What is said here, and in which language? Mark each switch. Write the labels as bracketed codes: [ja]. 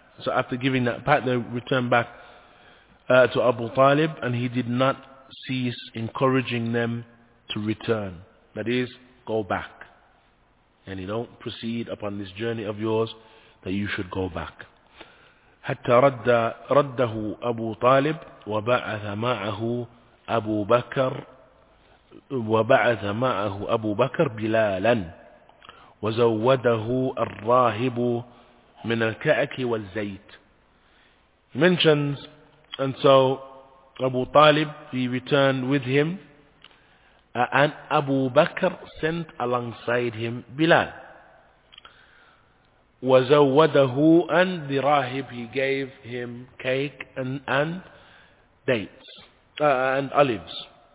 [en] So after giving that pact, they returned back to Abu Talib, and he did not cease encouraging them to return. That is, go back. And you don't proceed upon this journey of yours, that you should go back. [ar] حتى رده أبو طالب وبعث معه أبو بكر وبعث معه أبو بكر بلالا وزوده الراهب من الكعك والزيت. [en] He mentions, and so Abu Talib, he returned with him, and Abu Bakr sent alongside him Bilal. وزوده and the rahib, he gave him cake and dates and olives.